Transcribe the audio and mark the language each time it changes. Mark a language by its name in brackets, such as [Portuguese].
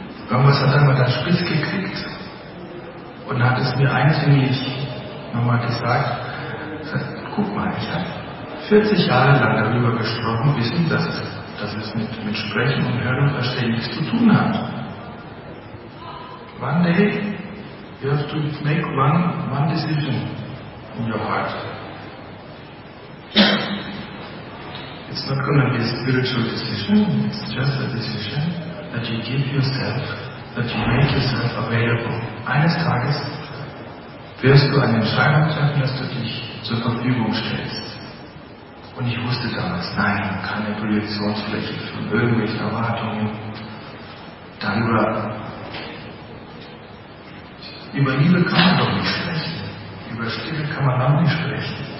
[German] Irgendwas hat er mal das Spitz gekriegt und hat es mir eindringlich nochmal gesagt. Guck mal, ich habe 40 Jahre lang darüber gesprochen, wissen, dass es mit Sprechen und Hören und Verstehen nichts zu tun hat. [English] One day you have to make one decision in your heart. It's not going to be a spiritual decision, it's just a decision that you give yourself, that you make yourself available. [German] Eines Tages wirst du eine Entscheidung treffen, dass du dich zur Verfügung stellst. Und ich wusste damals, nein, keine Projektionsfläche von irgendwelchen Erwartungen. Darüber, über Liebe kann man doch nicht sprechen, über Stille kann man auch nicht sprechen.